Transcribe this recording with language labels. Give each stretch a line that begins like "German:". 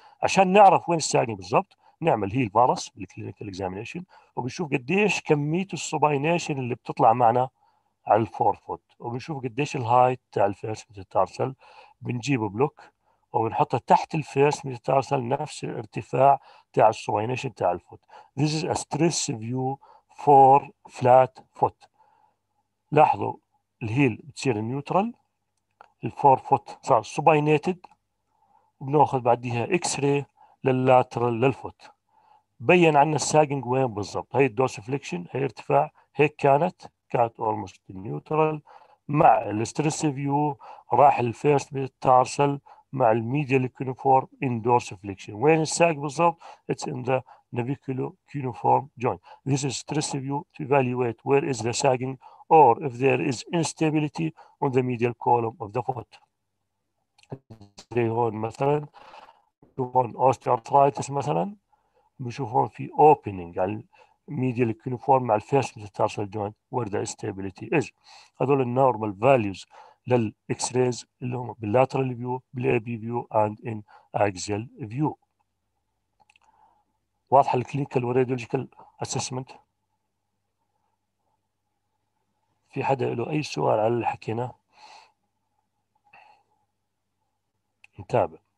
Arabic: عشان نعرف وين الساجنج بالضبط نعمل هيل فارس بالكلينيكال اكزامينيشن، وبنشوف قديش كميه السوبايناشن اللي بتطلع معنا على الفور فوت، وبنشوف قديش الهايت تاع الفيرست ميتاتارسل. بنجيبه بلوك وبنحطه تحت الفيرست ميتاتارسل نفس الارتفاع تاع السوبايناشن تاع الفوت.
English: This is a stress view for flat foot.
Arabic: لاحظوا الهيل بتصير نيوترال، الفور فوت صار سوباينيتد، وبناخذ بعديها اكس راي لللاترال للفوت. بين عنا الساجنج وين بالضبط، هي الدورس فليكشن، هي ارتفاع، هيك كانت اولموست نيوترال مع الستريس فيو راح الفيرست بالتارسل مع الميديال كيونيفورم ان دورس فليكشن. وين الساج بالضبط؟
English: اتس ان ذا نافيكولو كيونيفورم جوينت. ذيس از ستريس فيو تو ايفالويت وير از ذا ساجنج or if there is instability on the medial column of the foot.
Arabic: زي هون مثلا هون osteoarthritis مثلا بنشوف هون في opening على medial cuneiform مع the first metatarsal joint
English: where the instability is.
Arabic: هذول النورمال values للإكس-rays اللي هم باللاترال فيو بالAB فيو and in axial فيو. واضحة الكلينيكال والراديولوجيكال assessment؟ في حدا له أي سؤال على اللي حكينا؟ نتابع.